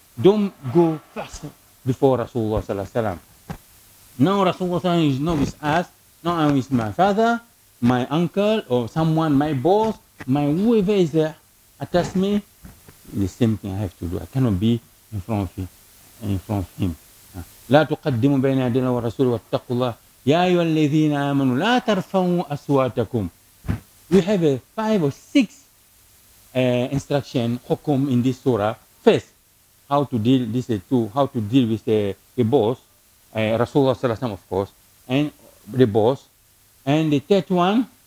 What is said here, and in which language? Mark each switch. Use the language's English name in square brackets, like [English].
[English] Don't go first before Rasulullah sallallahu alayhi wa sallam. Now Rasulullah sallallahu alayhi wa sallam is not with us. Now I'm with my father, my uncle, or someone, my boss, my whoever is there, attached me. The same thing I have to do. I cannot be in front of him. [Arabic] لا تقدموا بين يدي الله ورسوله واتقوا الله يا أيها الذين آمنوا لا ترفعوا أصواتكم. [English] We have five or six instruction hukum in this surah. First, how to deal. This is two. How to deal with the boss, Rasulullah [Arabic] صلى الله عليه وسلم [English] of course, and the boss, and the third one.